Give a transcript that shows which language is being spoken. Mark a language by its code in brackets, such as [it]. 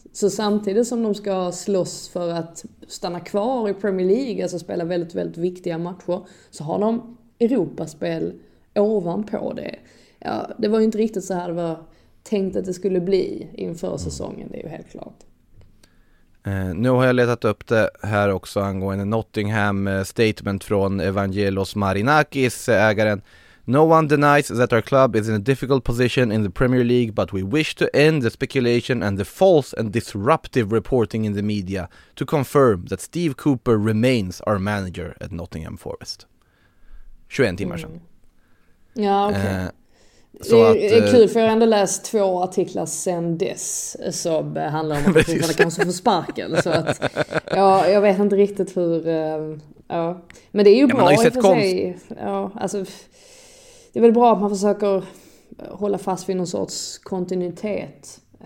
[sv] Så samtidigt som de ska slåss för att stanna kvar i Premier League, alltså spela väldigt, väldigt viktiga matcher, så har de Europaspel ovanpå det. Ja, det var ju inte riktigt så här det var tänkt att det skulle bli inför säsongen, det är ju helt klart. Nu har jag letat upp det här också angående Nottingham statement från Evangelos Marinakis, ägaren. [en] No one denies that our club is in a difficult position in the Premier League, but we wish to end the speculation and the false and disruptive reporting in the media to confirm that Steve Cooper remains our manager at Nottingham Forest. [sv] 21 timmar sedan. Ja, okej. Okay. Det är kul, för jag har ändå läst två artiklar sen dess som handlar om att Cooper kanske får sparken. Så att, ja, jag vet inte riktigt hur... Ja. Men det är ju bra, ja, ju i för konst. Sig. Ja, alltså... Det är väl bra att man försöker hålla fast vid någon sorts kontinuitet.